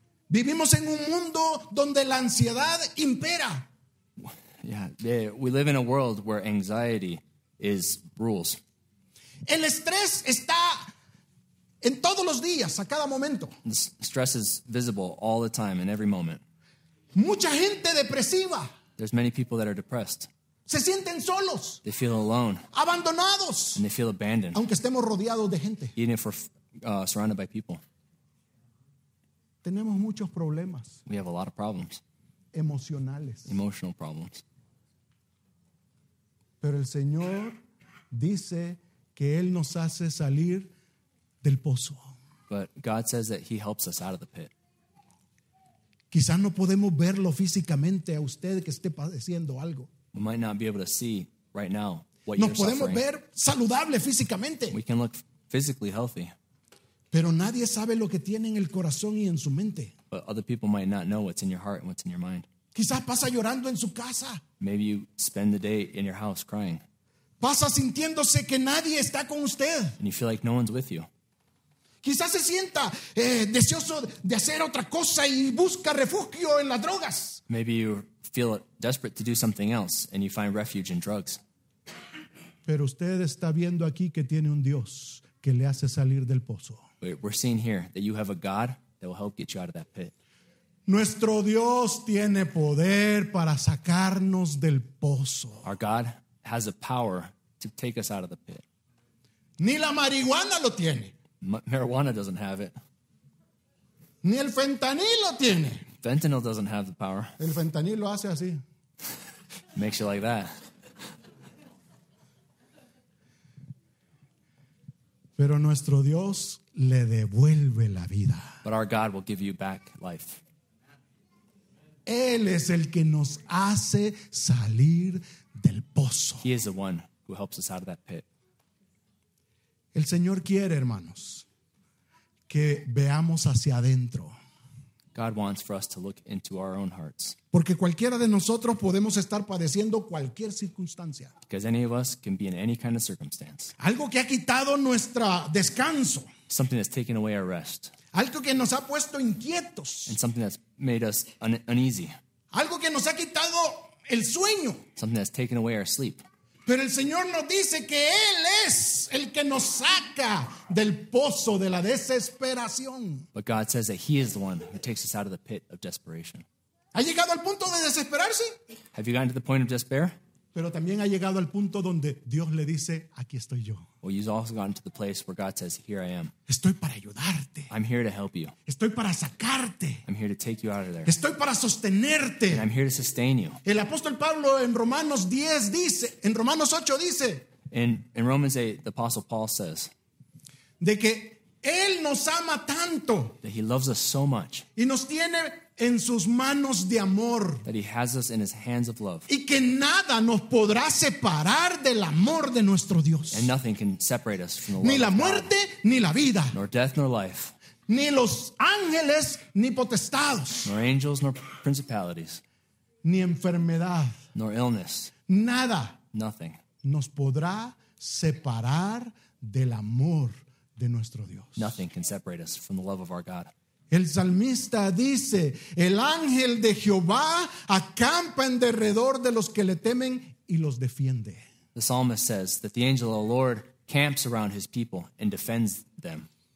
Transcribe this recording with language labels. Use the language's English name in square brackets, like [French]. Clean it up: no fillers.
[Spanish] Vivimos en un mundo donde la ansiedad impera. [English] Yeah, we live in a world where anxiety is rules. [Spanish] El estrés está en todos los días, a cada momento. [English] Stress is visible all the time, in every moment. [Spanish] Mucha gente depresiva. [English] There's many people that are depressed. [Spanish] Se sienten solos. [English] They feel alone. [Spanish] Abandonados. [English] And they feel abandoned. [Spanish] Aunque estemos rodeados de gente. [English] Even if we're surrounded by people. [Spanish] Tenemos muchos problemas. [English] We have a lot of problems. [Spanish] Emocionales. [English] Emotional problems. [Spanish] Pero el Señor dice que Él nos hace salir del pozo. [English] But God says that He helps us out of the pit. [Spanish] Quizás no podemos verlo físicamente a usted que esté padeciendo algo. [English] We might not be able to see right now what [Spanish] nos [English] you're suffering. [Spanish] Nos podemos ver saludable físicamente. [English] We can look physically healthy. [Spanish] Pero nadie sabe lo que tiene en el corazón y en su mente. [English] But other people might not know what's in your heart and what's in your mind. [Spanish] Quizás pasa llorando en su casa. [English] Maybe you spend the day in your house crying. [Spanish] Pasa sintiéndose que nadie está con usted. [English] And you feel like no one's with you. [Spanish] Quizás se sienta deseoso de hacer otra cosa y busca refugio en las drogas. [English] Maybe you feel desperate to do something else and you find refuge in drugs. [Spanish] Pero usted está viendo aquí que tiene un Dios que le hace salir del pozo. [English] We're seeing here that you have a God that will help get you out of that pit. [Spanish] Nuestro Dios tiene poder para sacarnos del pozo. [English] Our God has the power to take us out of the pit. [Spanish] Ni la marihuana lo tiene. [English] Marijuana doesn't have it. [Spanish] Ni el fentanilo tiene. [English] Fentanyl doesn't have the power. [Spanish] El fentanilo hace así. [English] Makes you like that. [Spanish] Pero nuestro Dios le devuelve la vida. [English] But our God will give you back life. [Spanish] Él es el que nos hace salir del pozo. [English] He is the one who helps us out of that pit. [Spanish] El Señor quiere, hermanos, que veamos hacia adentro. [English] God wants for us to look into our own hearts. [Spanish] Porque cualquiera de nosotros podemos estar padeciendo cualquier circunstancia. [English] Because any of us can be in any kind of circumstance. [Spanish] Algo que ha quitado nuestro descanso. [English] Something that's taken away our rest. [Spanish] Algo que nos ha puesto inquietos. [English] And something that's made us uneasy. [Spanish] Algo que nos ha quitado el sueño. [English] Something that's taken away our sleep. [Spanish] Pero el Señor nos dice que Él es el que nos saca del pozo de la desesperación. [English] But God says that He is the one who takes us out of the pit of desperation. [Spanish] ¿Ha llegado al punto de desesperarse? [English] Have you gotten to the point of despair? [Spanish] Pero también ha llegado al punto donde Dios le dice, aquí estoy yo. [English] Well, you've also gotten to the place where God says, here I am. [Spanish] Estoy para ayudarte. [English] I'm here to help you. [Spanish] Estoy para sacarte. [English] I'm here to take you out of there. [Spanish] Estoy para sostenerte. [English] And I'm here to sustain you. [Spanish] El apóstol Pablo en Romanos 10 dice, en Romanos 8 dice. [English] In Romans 8, the apostle Paul says. [Spanish] De que Él nos ama tanto. [English] That He loves us so much. [Spanish] Y nos tiene en sus manos de amor. [English] That He has us in His hands of love. [Spanish] Y que nada nos podrá separar del amor de nuestro Dios. [English] And nothing can separate us from the love. [Spanish] Ni la muerte, [English] of God. [Spanish] Ni la vida. [English] Nor death, nor life. [Spanish] Ni los ángeles, ni potestados. [English] Nor angels, nor principalities. [Spanish] Ni enfermedad. [English] Nor illness. [Spanish] Nada. [English] Nothing. [Spanish] Nos podrá separar del amor de nuestro Dios. [English] Nothing can separate us from the love of our God. [Spanish] El salmista dice, el ángel de Jehová acampa en derredor de los que le temen y los defiende. [English] The psalmist says that the angel of the Lord camps around His people and defends them.